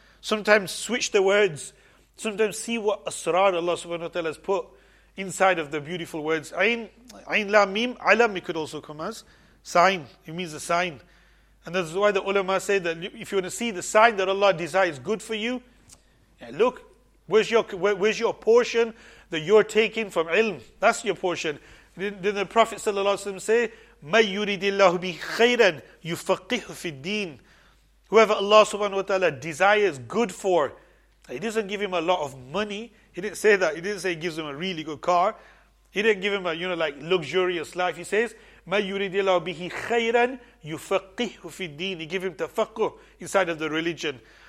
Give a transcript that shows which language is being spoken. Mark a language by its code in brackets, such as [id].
[en] Sometimes switch the words. Sometimes see what asrar Allah subhanahu wa ta'ala has put inside of the beautiful words. Ayn la mim, alam, it could also come as sign. It means a sign. And that's why the ulama say that if you want to see the sign that Allah desires good for you, yeah, look, where's your portion that you're taking from ilm? That's your portion. Then the Prophet sallallahu alaihi wasallam say, [ar] مَا يُرِدِ اللَّهُ بِي خَيْرًا يُفَقِّهُ فِي الدِّينِ. [en] Whoever Allah subhanahu wa ta'ala desires good for, He doesn't give him a lot of money. He didn't say that. He didn't say He gives him a really good car. He didn't give him a, you know, like luxurious life. He says, [ar] مَا يُرِدِ اللَّهُ بِهِ خَيْرًا يُفَقِّهُ فِي الدِّينِ. [en] He gave him tafaqquh inside of the religion.